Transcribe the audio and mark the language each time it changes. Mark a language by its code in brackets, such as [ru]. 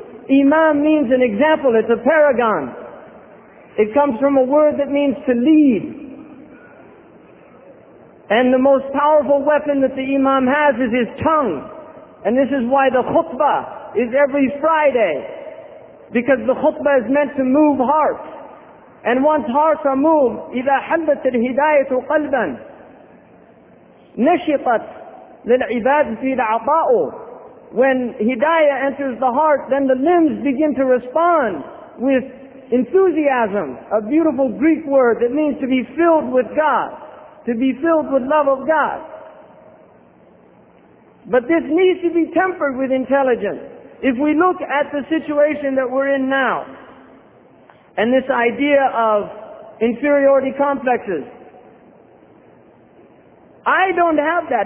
[en] Imam means an example, it's a paragon. It comes from a word that means to lead. And the most powerful weapon that the imam has is his tongue. And this is why the khutbah is every Friday. Because the khutbah is meant to move hearts. And once hearts are moved, [ar] إِذَا حَلَّتِ الْهِدَايَةُ قَلْبًا نَشِطَتْ لِلْعِبَادِ فِي الْعَطَاءُ. [en] When hidayah enters the heart, then the limbs begin to respond with enthusiasm, a beautiful Greek word that means to be filled with God, to be filled with love of God. But this needs to be tempered with intelligence. If we look at the situation that we're in now, and this idea of inferiority complexes, I don't have that.